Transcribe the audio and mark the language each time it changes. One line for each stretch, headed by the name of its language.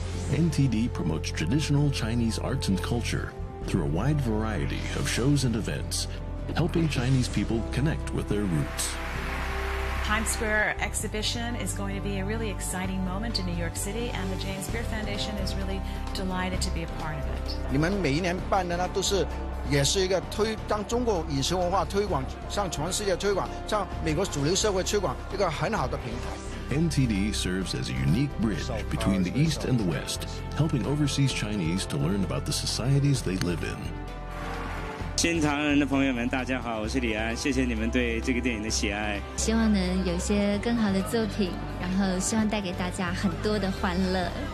English: NTD promotes traditional Chinese arts and culture through a wide variety of shows and events, helping Chinese people connect with their roots. Times Square exhibition is going to be a really exciting moment in New York City, and the James Beard Foundation is really delighted to be a part of it.
Chinese: 你们每一年办的呢，都是也是一个推当中国饮食文化推广向全世界推广，向美国主流社会推广一个很好的平台。
English: NTD serves as a unique bridge between the East and the West, helping overseas Chinese to learn about the societies they live in.
Chinese: 新唐人的朋友们，大家好，我是李安，谢谢你们对这个电影的喜爱。希望能有一些更好的作品，然后希望带给大家很多的欢乐。